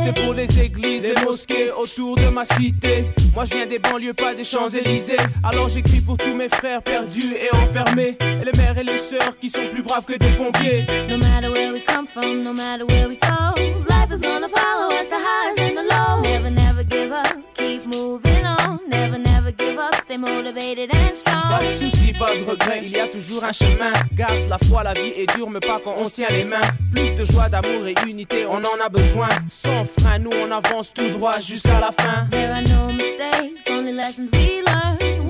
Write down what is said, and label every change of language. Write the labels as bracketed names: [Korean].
[French] C'est pour les églises, les mosquées autour de ma cité. Moi je viens des banlieues, pas des Champs-Élysées. Alors j'écris pour tous mes frères perdus et enfermés, et les mères et les sœurs qui sont plus braves que des pompiers. [English] No matter where we come from, no matter where we go, life is gonna follow us, the highs and the lows. Never, never give up, keep moving on. Never, never give up, stay motivated and strong. [French] Pas de soucis, pas de regrets, il y a toujours un chemin. Garde la foi, la vie est dure, mais pas quand on tient les mains. Plus de joie, d'amour et unité, on en a besoin. Sans frein, nous on avance tout droit jusqu'à la fin. [English] There are no mistakes, only lessons we learn.